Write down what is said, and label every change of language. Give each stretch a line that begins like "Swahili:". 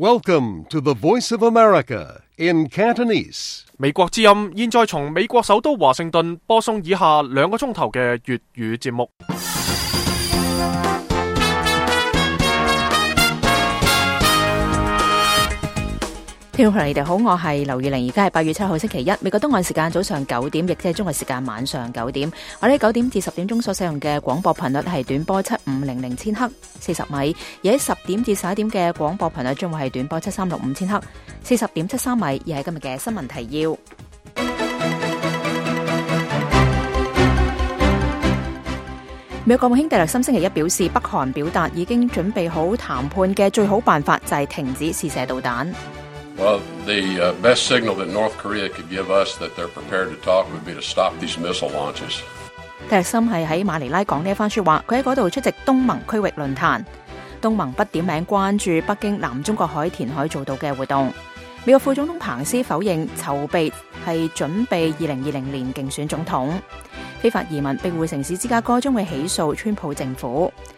English: Welcome to the Voice of America in Cantonese.
Cantonese: 美国之音现在从美国首都华盛顿播送以下两个钟头的粤语节目。听众朋友你们好，我是刘宇玲，现在是8月7号星期一，美国东岸时间早上9点，亦即是中国时间晚上9点。我们在9点至10点钟所使用的广播频率是短波7500千克40米，而在10点至11点的广播频率将会是短波7365千克40点73米，而是今天的新闻提要。美国国务卿特勒森星期一表示，北韩表达已经准备好谈判的最好办法就是停止试射导弹。
English: Well, the best signal that North Korea could give us that they're prepared to talk would be to stop these missile launches.
Cantonese: 特勒森是在马尼拉讲这番说话，他在那里出席东盟区域论坛。东盟不点名关注北京南中国海填海做到的活动。美国副总统彭斯否认筹备是准备2020年竞选总统。非法移民庇护城市芝加哥将会起诉川普政府。